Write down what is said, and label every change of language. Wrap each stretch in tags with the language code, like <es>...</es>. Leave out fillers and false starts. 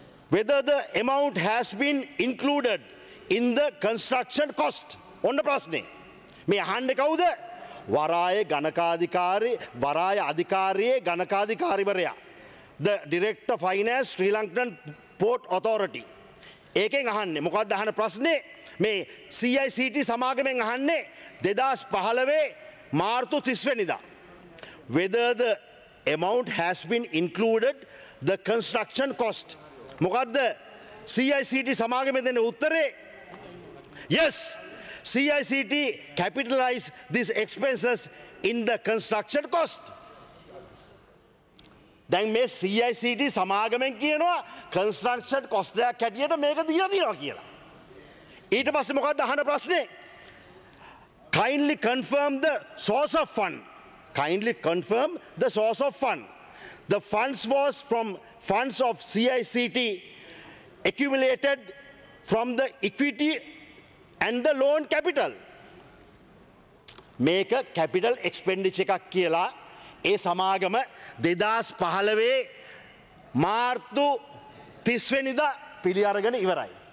<en>Whether the amount has been included in the construction cost.</en> <si>ඔන්න ප්‍රශ්නේ. මේ අහන්නේ කවුද? වරාය ගණකාධිකාරී, වරාය අධිකාරියේ ගණකාධිකාරිවරයා.</si> <en>The Director of Finance, Sri Lankan Port Authority.</en> <si>ඒකෙන් අහන්නේ. මොකද්ද අහන ප්‍රශ්නේ? මේ CICT සමාගමෙන් අහන්නේ 2015 මාර්තු 30 වෙනිදා.</si> <en>Whether the amount has been included the construction cost.</en> <si>මොකද්ද CICT සමාගමෙන් දෙන උත්තරේ?</si> <en>Yes, CICT capitalize these expenses in the construction cost.</en> <si>දැන් මේ CICT සමාගමෙන් කියනවා construction cost එකක් හැටියට මේක දීලා තියනවා කියලා. ඊට පස්සේ මොකද්ද අහන ප්‍රශ්නේ?</si> <en>Kindly confirm the source of fund. Kindly confirm the source of fund. The funds was from funds of CICT accumulated from the equity and the loan capital.</en> <si>මේක capital expenditure එකක් කියලා ඒ සමාගම 2015 මාර්තු 30 වෙනිදා පිළි අරගෙන ඉවරයි.</si>